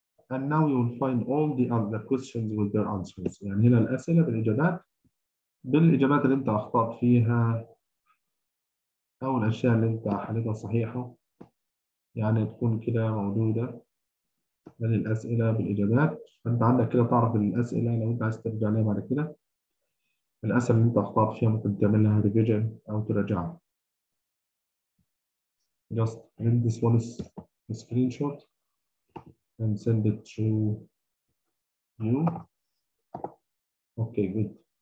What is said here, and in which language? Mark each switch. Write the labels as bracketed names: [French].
[English] And now you will find all the other questions with their answers. [Arabic] يعني هنا الأسئلة بالإجابات، بالإجابات اللي أنت أخطأت فيها أو الأشياء اللي أنت حليتها صحيحة، يعني تكون كده موجودة من الأسئلة بالإجابات. فأنت عندك كده تعرف الأسئلة لو أنت عايز ترجع لها بعد كده. الأسئلة اللي أنت أخطأت فيها ممكن تعمل لها ريفيجن أو تراجعها. [English] Just print this one as a screenshot and send it to you. Okay, good.